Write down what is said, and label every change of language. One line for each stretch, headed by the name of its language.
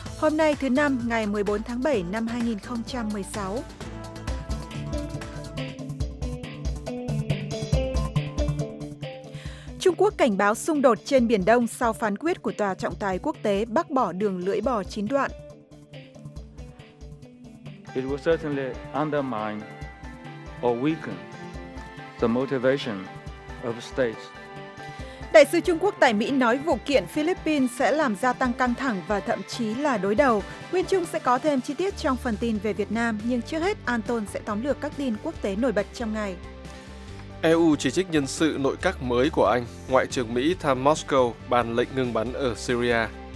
Vietnamese: Hôm nay thứ Năm, ngày 14 tháng 7 năm 2016. Trung Quốc cảnh báo xung đột trên Biển Đông sau phán quyết của Tòa trọng tài quốc tế bác bỏ đường lưỡi bò 9 đoạn.
English: It will certainly undermine or weaken the motivation of states.
Vietnamese: Đại sứ Trung Quốc tại Mỹ nói vụ kiện Philippines sẽ làm gia tăng căng thẳng và thậm chí là đối đầu. Nguyên Trung sẽ có thêm chi tiết trong phần tin về Việt Nam, nhưng trước hết Anton sẽ tóm lược các tin quốc tế nổi bật trong ngày. EU chỉ trích nhân sự nội các mới của Anh, Ngoại trưởng Mỹ thăm Moscow bàn lệnh ngừng bắn ở Syria.